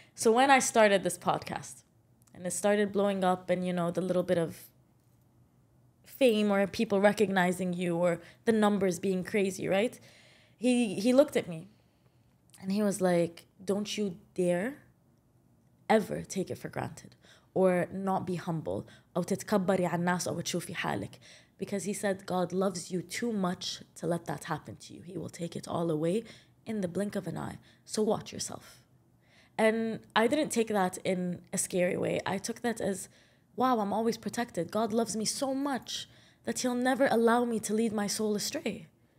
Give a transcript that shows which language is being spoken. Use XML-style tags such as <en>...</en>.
<en>So when I started this podcast, and it started blowing up, and you know, the little bit of fame or people recognizing you or the numbers being crazy, right? He looked at me and he was like, "Don't you dare ever take it for granted</en> <ar>or not be humble, أو تتكبري على الناس أو تشوفي حالك.</ar> <en>Because he said, God loves you too much to let that happen to you. He will take it all away in the blink of an eye. So watch yourself. And I didn't take that in a scary way. I took that as, wow, I'm always protected. God loves me so much that he'll never allow me to lead my soul astray.</en>